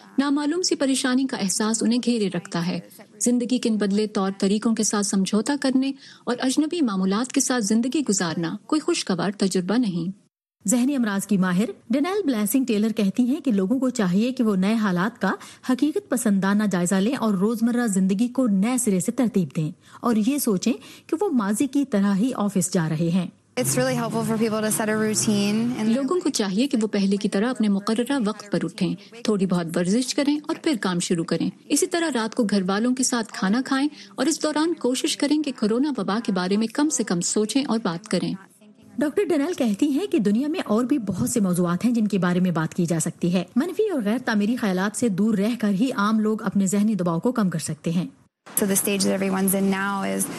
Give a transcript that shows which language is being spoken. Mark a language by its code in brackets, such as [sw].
[ur] نامعلوم سی پریشانی کا احساس انہیں گھیرے رکھتا ہے. زندگی کے بدلے طور طریقوں کے ساتھ سمجھوتا کرنے اور اجنبی معمولات کے ساتھ زندگی گزارنا کوئی خوشگوار تجربہ نہیں. ذہنی امراض کی ماہر ڈینیل بلیسنگ ٹیلر کہتی ہیں کہ لوگوں کو چاہیے کہ وہ نئے حالات کا حقیقت پسندانہ جائزہ لیں اور روزمرہ زندگی کو نئے سرے سے ترتیب دیں اور یہ سوچیں کہ وہ ماضی کی طرح ہی آفس جا رہے ہیں. [en] It's really helpful for people to set a routine. [ur] لوگوں کو چاہیے کہ وہ پہلے کی طرح اپنے مقررہ وقت پر اٹھیں, تھوڑی بہت ورزش کریں اور پھر کام شروع کریں. اسی طرح رات کو گھر والوں کے ساتھ کھانا کھائیں اور اس دوران کوشش کریں کہ کرونا وبا کے بارے میں کم سے کم سوچیں اور بات کریں. ڈاکٹر ڈینیل کہتی ہیں کہ دنیا میں اور بھی بہت سے موضوعات ہیں جن کے بارے میں بات کی جا سکتی ہے. منفی اور غیر تعمیری خیالات سے دور رہ کر ہی عام لوگ اپنے ذہنی دباؤ کو کم کر سکتے ہیں. [en] So the stage that everyone's in now is